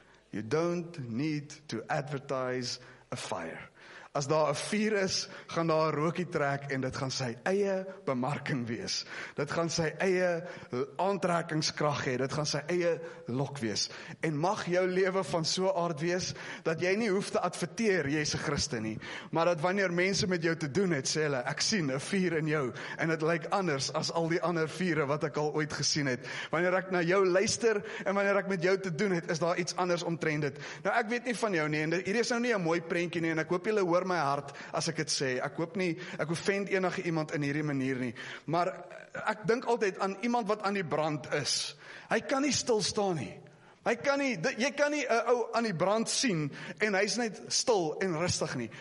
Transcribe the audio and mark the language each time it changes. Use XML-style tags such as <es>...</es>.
<en>You don't need to advertise a fire.</en> <af>As daar 'n vuur is, gaan daar 'n rookie trek en dit gaan sy eie bemarking wees. Dit gaan sy eie aantrekkingskrag hê, dit gaan sy eie lok wees. En mag jou lewe van so aard wees, dat jy nie hoef te adverteer, jy's 'n Christen nie. Maar dat wanneer mense met jou te doen het, sê hulle, ek sien 'n vuur in jou. En dit lyk anders as al die ander vure wat ek al ooit gesien het. Wanneer ek na jou luister en wanneer ek met jou te doen het, is daar iets anders omtrent dit. Nou ek weet nie van jou nie, en hier is nou nie 'n mooi prentjie nie, en ek hoop julle oor my hart as ek dit sê. Ek hoop nie ek offend enige iemand in hierdie manier nie, maar ek dink altyd aan iemand wat aan die brand is. Hy kan nie stil staan nie. Jy kan nie 'n ou aan die brand sien en hy's net stil en rustig nie.</af>